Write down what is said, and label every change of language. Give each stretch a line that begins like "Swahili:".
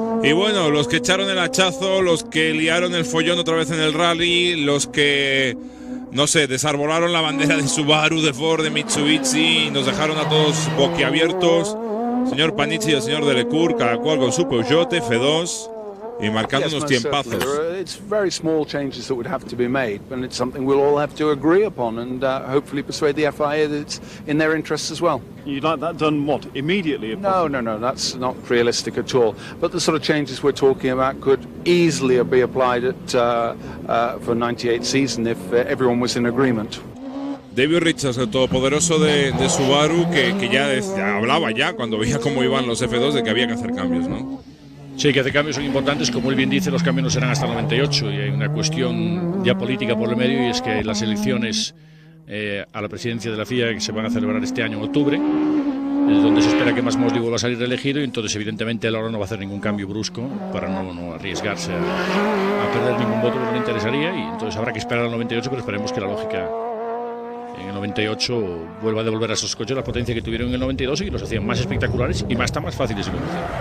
Spanish: Y bueno, los que echaron el hachazo, los que liaron el follón otra vez en el rally, los que, no sé, desarbolaron la bandera de Subaru, de Ford, de Mitsubishi y nos dejaron a todos boquiabiertos. Señor Panizzi y el señor Delecour, cada cual con su Peugeot F2 y marcando unos tiempazos.
English: It's very small changes that would have to be made, and it's something we'll all have to agree upon and hopefully persuade the FIA that it's in their interest as well. You'd like that done what? Immediately? No, that's not realistic at all. But the sort of changes we're talking about could easily be applied for 98 season if everyone was in agreement.
Spanish: David Richards, el todopoderoso de Subaru, que ya hablaba ya cuando veía cómo iban los F2 de que había que hacer cambios, ¿no? Sí, que hace cambios son importantes. Como él bien dice, los cambios no serán hasta 98 y hay una cuestión ya política por el medio, y es que las elecciones a la presidencia de la FIA, que se van a celebrar este año en octubre, donde se espera que Masmoli vuelva a salir reelegido, y entonces evidentemente él ahora no va a hacer ningún cambio brusco para no arriesgarse a perder ningún voto, porque no le interesaría, y entonces habrá que esperar al 98, pero esperemos que la lógica en el 98 vuelva a devolver a esos coches la potencia que tuvieron en el 92 y que los hacían más espectaculares y hasta más fáciles de conducir.